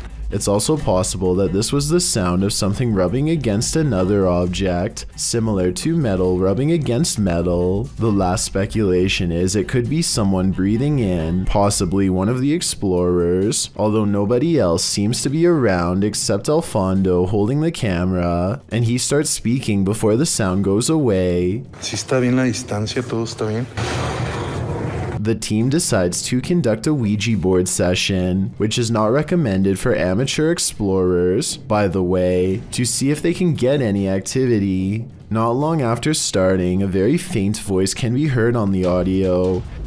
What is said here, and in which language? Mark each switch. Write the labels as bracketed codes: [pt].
[en] It's also possible that this was the sound of something rubbing against another object, similar to metal rubbing against metal. The last speculation is it could be someone breathing in, possibly one of the explorers, although nobody else seems to be around except Alfonso holding the camera, and he starts speaking before the sound goes away. [es] Si está bien la distancia, todo está bien. [en] The team decides to conduct a Ouija board session, which is not recommended for amateur explorers, by the way, to see if they can get any activity. Not long after starting, a very faint voice can be heard on the audio.